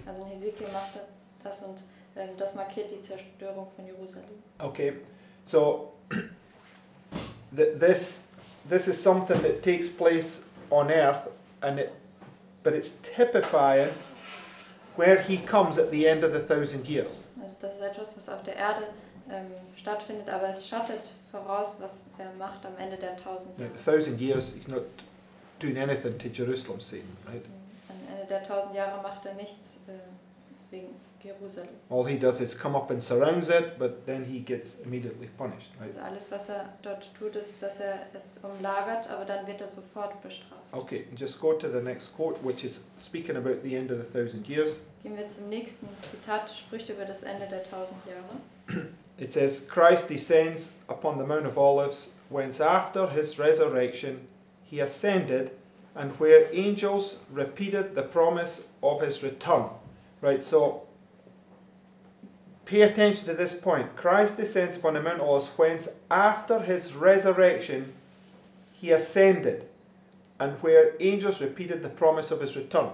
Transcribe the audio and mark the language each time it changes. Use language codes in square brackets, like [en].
[de] Also Ezekiel machte das, und das markiert die Zerstörung von Jerusalem. [en] Okay, so this is something that takes place on earth, but it's typifying where he comes at the end of the 1,000 years. [de] Also das ist etwas, was auf der Erde stattfindet, aber es schattet voraus, was er macht am Ende der 1,000 Jahre. [en] The 1,000 years, he's not doing anything to Jerusalem, Satan, right? [de] Am Ende der 1,000 Jahre macht nichts wegen Jerusalem. [en] All he does is come up and surrounds it, but then he gets immediately punished, right? [de] Also alles, was dort tut, ist, dass es umlagert, aber dann wird sofort bestraft. [en] Okay, just go to the next quote, which is speaking about the end of the 1,000 years. [de] Gehen wir zum nächsten Zitat, spricht über das Ende der 1,000 Jahre. [en] It says, Christ descends upon the Mount of Olives, whence after his resurrection he ascended, and where angels repeated the promise of his return. Right, so pay attention to this point. Christ descends upon the Mount of Olives, whence after his resurrection he ascended, and where angels repeated the promise of his return.